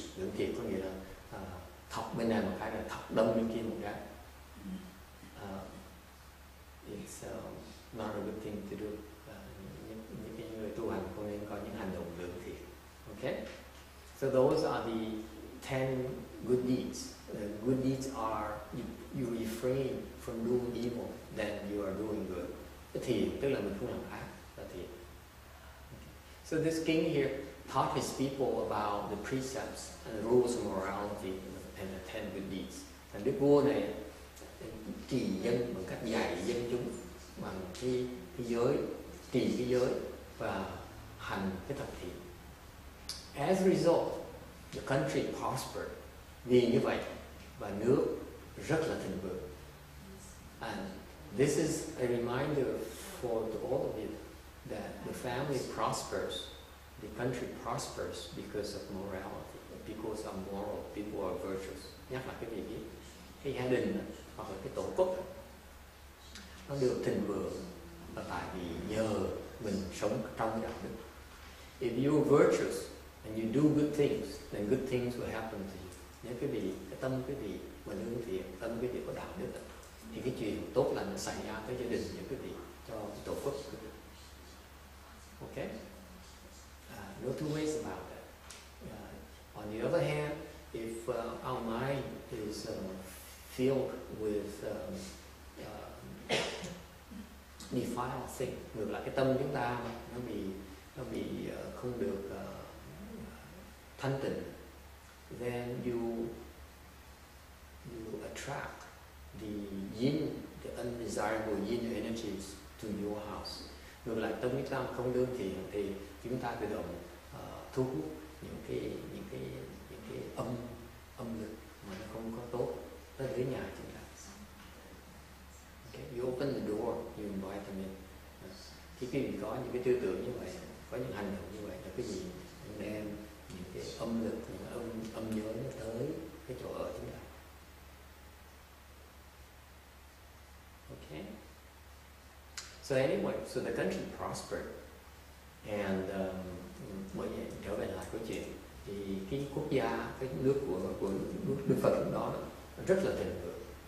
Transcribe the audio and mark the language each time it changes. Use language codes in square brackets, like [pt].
[vi] Lưỡng thiệt có nghĩa là thọc bên này một cái là thọc đâm bên kia một cái. [en] It's not a good thing to do. [vi] Những cái người tu hành không nên có những hành động lưỡng thiệt. [en] Okay? So those are the 10 good deeds. Good deeds are you refrain from doing evil, then you are doing good. [vi] Thiện tức là mình không làm ác, là thiện. [en] So this king here taught his people about the precepts and the rules of morality and the 10 good deeds. [vi] And đức vua này trị dân bằng cách dạy dân chúng bằng cái giới, trị cái giới và hành cái thập thiện. [en] As a result, the country prospered. [vi] Vì như vậy, và nước rất là thịnh vượng. [en] And this is a reminder for all of you that the family prospers, the country prospers because of morality, because of moral, people are virtuous. [vi] Nhắc lại cái việc ấy, cái gia đình hoặc là cái tổ quốc nó được thịnh vượng là tại vì nhờ mình sống trong đạo đức. [en] If you're virtuous and you do good things, then good things will happen to you. [vi] Nếu quý vị, cái tâm quý vị mà lương thiện, tâm quý vị có đạo đức thì cái chuyện tốt lành xảy ra tới gia đình, những quý vị, cho tổ quốc quý vị. [en] Ok? No two ways about that. On the other hand, if our mind is filled with defiled thing, [vi] ngược lại cái tâm chúng ta nó bị không được thanh tịnh, [en] then you attract the yin, the undesirable yin energies to your house. [vi] Ngược lại tâm chúng ta không lương thiện thì chúng ta tự động thu hút những cái âm lực mà nó không có tốt tới dưới nhà chúng ta. [en] Okay, you open the door, you invite them in. [vi] Khi quý vị có những cái tư tưởng như vậy, có những hành động như vậy, là quý vị đem những cái âm lực, những âm nhớ nó tới cái chỗ ở chúng ta. [en] Okay. So anyway, so the country prospered, [vi] and bởi vậy trở về lại câu chuyện thì cái quốc gia, cái nước của nước Phật đó rất là thịnh vượng.